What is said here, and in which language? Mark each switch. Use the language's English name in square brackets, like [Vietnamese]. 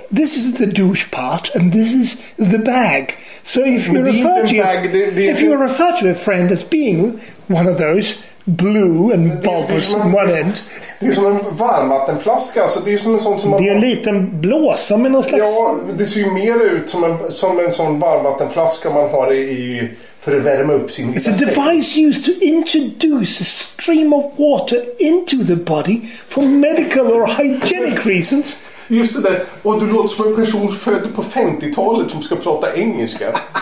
[English] This is the douche part, and this is the bag. So if you refer to bag, you refer to a friend as being one of those blue and bulbous on one end. [Swedish] Det är som en varmvattenflaska, så det är som en sån som det är en liten blåsa med någon slags. Ja, det ser ju mer ut som en sån varmvattenflaska man har i för att värma upp sin. [English] It's a device used to introduce a stream of water into the body for medical or hygienic reasons. [Swedish] Just det där. Och du låter som en person född på 50-talet som ska prata engelska.